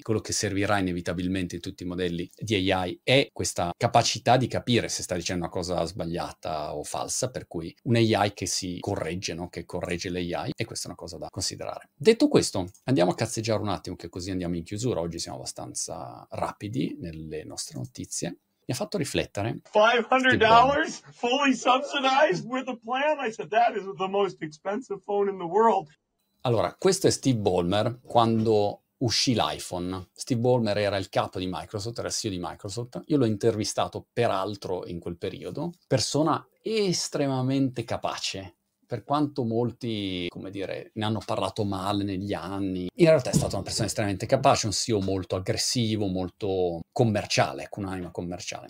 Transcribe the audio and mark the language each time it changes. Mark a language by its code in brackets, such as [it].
[it] Quello che servirà inevitabilmente in tutti i modelli di AI è questa capacità di capire se sta dicendo una cosa sbagliata o falsa, per cui un AI che si corregge, no? Che corregge l'AI, e questa è una cosa da considerare. Detto questo, andiamo a cazzeggiare un attimo, che così andiamo in chiusura. Oggi siamo abbastanza rapidi nelle nostre notizie. Mi ha fatto riflettere. [en] $500 fully subsidized with a plan. I said that is the most expensive phone in the world. [it] Allora, questo è Steve Ballmer quando uscì l'iPhone. Steve Ballmer era il capo di Microsoft, era CEO di Microsoft. Io l'ho intervistato peraltro in quel periodo. Persona estremamente capace, per quanto molti, come dire, ne hanno parlato male negli anni, in realtà è stata una persona estremamente capace, un CEO molto aggressivo, molto commerciale, con un'anima commerciale.